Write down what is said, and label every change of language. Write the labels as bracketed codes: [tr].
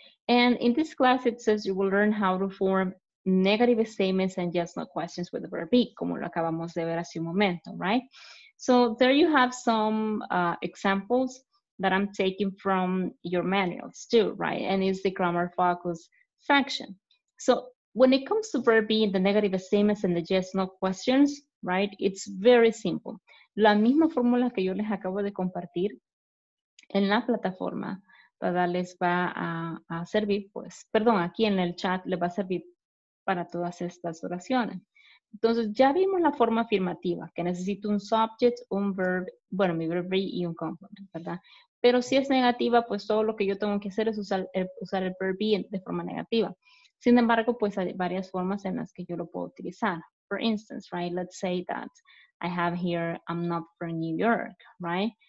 [en] And in this class, it says you will learn how to form negative statements and yes, no questions with the verb be, [es] como lo acabamos de ver hace un momento, [en] right? So there you have some examples that I'm taking from your manuals too, right? And it's the grammar focus section. So when it comes to verb being the negative statements and the yes, no questions, right? It's very simple. [es] La misma fórmula que yo les acabo de compartir en la plataforma, ¿verdad? Les va a servir, pues, perdón, aquí en el chat les va a servir para todas estas oraciones. Entonces, ya vimos la forma afirmativa, que necesito un subject, un verb, bueno, mi verb be y un complement, ¿verdad? Pero si es negativa, pues todo lo que yo tengo que hacer es usar el verb be de forma negativa. Sin embargo, pues hay varias formas en las que yo lo puedo utilizar. [en] For instance, right, let's say that I have here, I'm not from New York, right?